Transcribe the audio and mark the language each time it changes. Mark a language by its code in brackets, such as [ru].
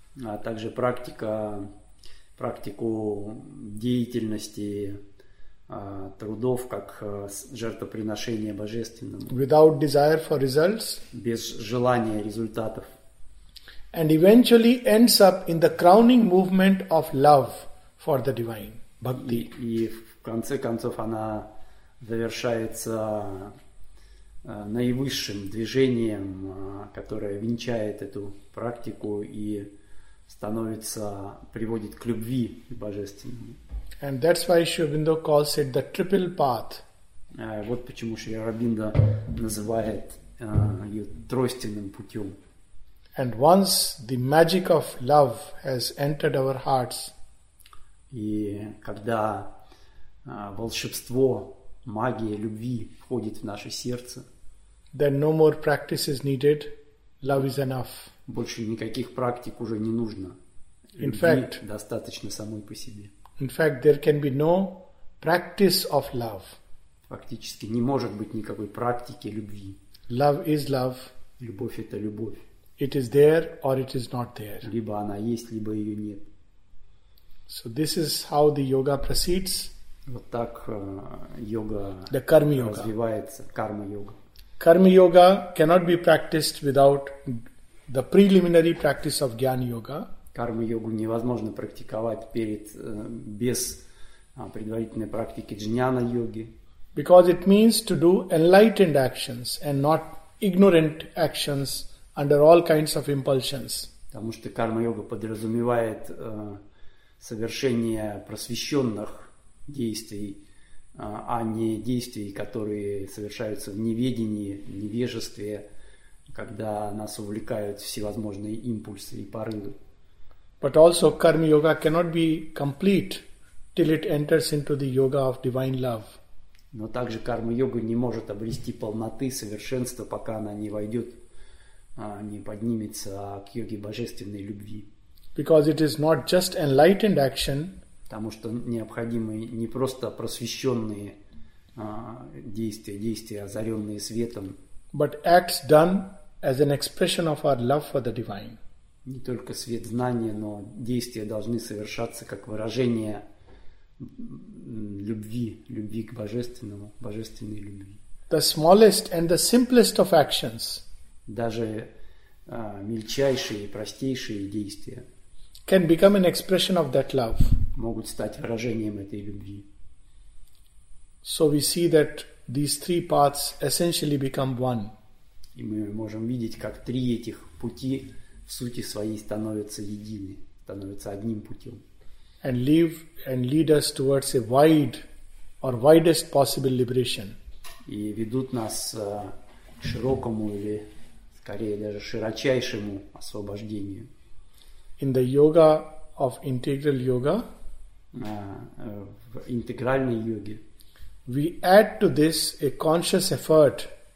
[ru] А также практику деятельности трудов как жертвоприношение божественному. [en] Without desire for results. [ru] Без желания результатов. [en] And eventually ends up in the crowning movement of love for the divine, bhakti. [ru] И в конце концов она завершается наивысшим движением, которое венчает эту практику и становится, приводит к любви божественному. [en] And that's why Sri Aurobindo calls it the triple path. [ru] Вот почему Шри Аурабиндо называет ее тройственным путем. [en] And once the magic of love has entered our hearts, [ru] и когда волшебство, магия любви входит в наше сердце, [en] then no more practice is needed. Love is enough. [ru] Больше никаких практик уже не нужно. [en] In fact, [ru] достаточно самой по себе. [en] In fact, there can be no practice of love. [ru] Фактически не может быть никакой практики любви. [en] Love is love. [ru] Любовь это любовь. [en] It is there or it is not there. [ru] Либо она есть, либо ее нет. [en] So this is how the yoga proceeds. [ru] Вот так йога. [en] The karma yoga. [ru] Развивается карма йога. [en] Karma yoga cannot be practiced without the preliminary practice of jnana yoga. [ru] Карма йогу невозможно практиковать без предварительной практики джняна йоги. [en] Because it means to do enlightened actions and not ignorant actions. Under all kinds of impulsions. [ru] Потому что карма-йога подразумевает совершение просвещенных действий, а не действий, которые совершаются в неведении, невежестве, когда нас увлекают всевозможные импульсы и порывы. [en] But also karma-yoga cannot be complete till it enters into the yoga of divine love. [ru] Но также карма-йога не может обрести полноты, совершенства, пока она не войдет не поднимется к йоге божественной любви. [en] Because it is not just enlightened action. [ru] Потому что необходимы не просто просвещенные действия, озаренные светом. [en] But acts done as an expression of our love for the divine. [ru] Не только свет знания, но действия должны совершаться как выражение любви к божественному, божественной любви. [en] The smallest and the simplest of actions. [ru] Даже мельчайшие, простейшие действия [en] can become an expression of that love. [ru] Могут стать выражением этой любви. [en] So we see that these three paths essentially become one. [ru] И мы можем видеть, как три этих пути в сути своей становятся едины, становятся одним путем. [en] And lead us towards a wide or widest possible liberation. [ru] И ведут нас к широкому или скорее даже широчайшему освобождению. [en] In the yoga of integral yoga, [ru] в интегральной йоге, [en] we add to this a conscious effort.